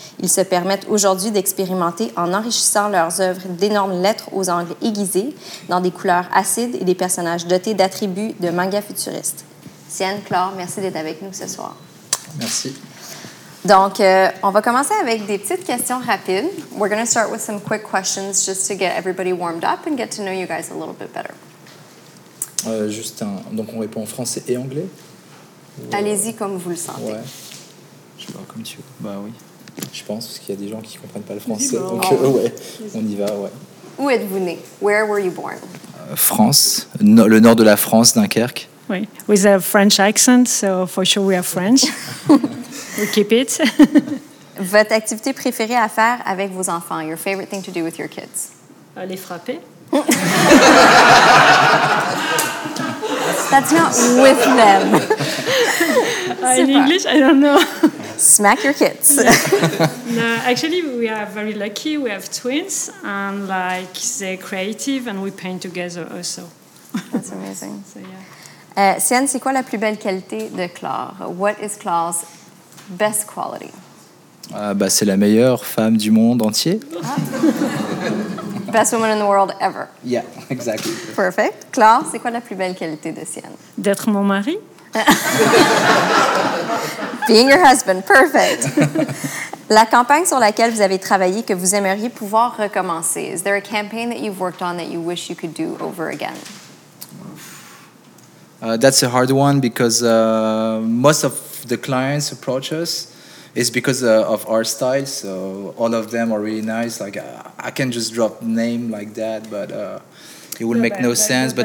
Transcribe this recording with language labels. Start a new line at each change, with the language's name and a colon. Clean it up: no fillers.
French: Ils se permettent aujourd'hui d'expérimenter en enrichissant leurs œuvres d'énormes lettres aux angles aiguisés, dans des couleurs acides et des personnages dotés d'attributs de manga futuristes. Scien, Klor, merci d'être avec nous ce soir. Merci. Donc, on va commencer avec des petites questions rapides.
English: We're going to start with some quick questions just to get everybody warmed up and get to know you guys a little bit better.
French: Donc on répond en français et anglais? Allez-y comme vous le sentez. Ouais. Je sais pas, comme tu veux. Bah oui. Je pense, parce qu'il y a des gens qui ne comprennent pas le français. Donc, ouais, on y va, ouais. Où êtes-vous né?
English: Where were you born?
French: France. No, le nord de la France, Dunkerque. Oui.
English: With a French accent, so for sure we are French. We keep it.
French: Votre activité préférée à faire avec vos enfants?
English: Your favorite thing to do with your kids?
French: Les frapper.
English: That's not with them. In English, I don't know. Smack your kids. No, actually, we are very lucky. We have twins, and like they're creative, and we paint together also. That's amazing. So yeah.
French: Scien, c'est quoi la plus belle qualité de Klor?
English: What is Klor's best quality?
French: C'est la meilleure femme du monde entier.
English: Best woman in the world ever. Yeah, exactly. Perfect.
French: Klor, c'est quoi la plus belle qualité de Scien? D'être mon mari.
English: Being your husband, perfect.
French: La campagne sur laquelle vous avez travaillé que vous aimeriez pouvoir recommencer.
English: Is there a campaign that you've worked on that you wish you could do over again? That's a hard one because most of the clients approach us. It's because of our style, so all of them are really nice. Like, I can just drop name like that, but it would make no sense.